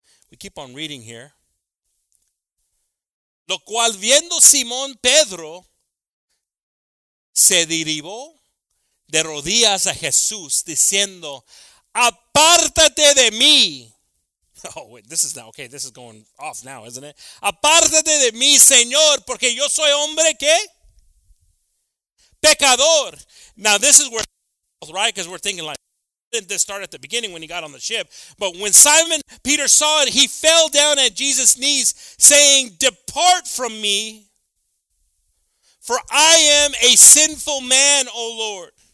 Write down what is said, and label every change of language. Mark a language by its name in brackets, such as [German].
[English] We keep on reading here. [Spanish] Lo cual viendo Simón Pedro, se derribó de rodillas a Jesús, diciendo, apártate de mí. [English] Oh, wait, this is now, okay, this is going off now, isn't it? [Spanish] Apártate de mí, Señor, porque yo soy hombre, ¿qué? Pecador. [English] Now, this is where, right, because we're thinking like, didn't this start at the beginning when he got on the ship? But when Simon Peter saw it, he fell down at Jesus' knees, saying, depart from me, for I am a sinful man, O Lord.